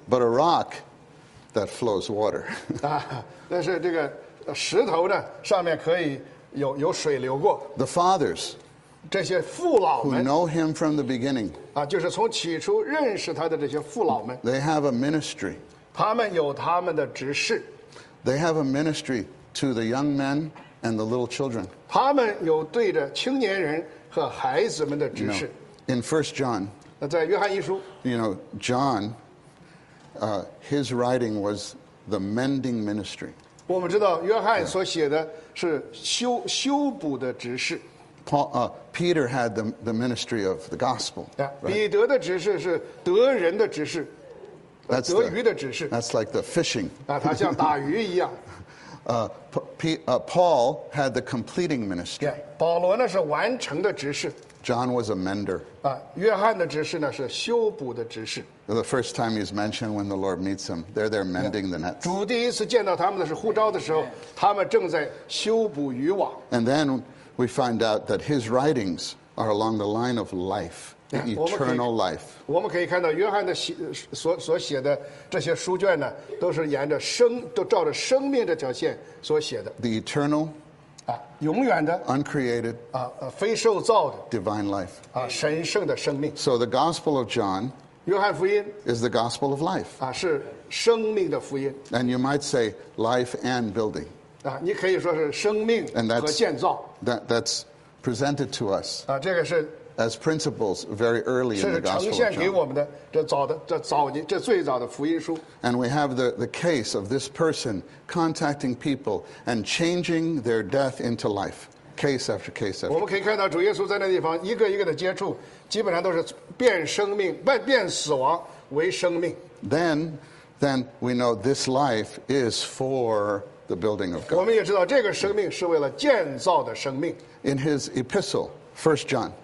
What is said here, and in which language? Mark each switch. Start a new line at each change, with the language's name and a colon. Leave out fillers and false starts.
English: But a rock that flows water.
Chinese: 啊，但是这个石头呢，上面可以有水流过。
English: The fathers.
Chinese: 这些父老们。
English: Who know him from the beginning.
Chinese: 啊，就是从起初认识他的这些父老们。
English: They have a ministry.
Chinese: 他们有他们的职事。
English: They have a ministry to the young men and the little children.
Chinese: 他们有对着青年人和孩子们的职事。
English: In 1 John.
Chinese: 在约翰一书。
English: You know, John, his writing was the mending ministry.
Chinese: 我们知道约翰所写的是修补的职事。
English: Peter had the ministry of the gospel. Yeah, right? Peter's that's like the fishing. Paul had the completing ministry.
Chinese: Yeah, 保罗呢是完成的职事。
English: John was a mender.
Chinese: 啊，约翰的职事呢是修补的职事。
English: The first time he's mentioned when the Lord meets him, they're there mending the nets.
Chinese: 主第一次见到他们的是呼召的时候，他们正在修补渔网。
English: And then. We find out that his writings are along the line of life, eternal life.
Chinese: 我们可以看到约翰的所写的这些书卷呢，都是沿着生，都照着生命这条线所写的。
English: The eternal,
Chinese: 啊，永远的
English: ，uncreated,
Chinese: 啊，非受造的
English: ，divine life,
Chinese: 啊，神圣的生命。
English: So the Gospel of John,
Chinese: 约翰福音
English: is the Gospel of life,
Chinese: 啊，是生命的福音。
English: And you might say life and building.
Chinese: 你可以说是生命和建造。
English: That's presented to us.
Chinese: 啊，这个是
English: as principles very early in the Gospel of John.
Chinese: 是呈现给我们的这最早的福音书。
English: And we have the case of this person contacting people and changing their death into life, case after case after.
Chinese: 我们可以看到主耶稣在那地方一个一个的接触，基本上都是变生命，变死亡为生命。
English: Then we know this life is for. The building of God.
Chinese: 我们也知道这个生命是为了建造的生命。
English: In his epistle, 1 John,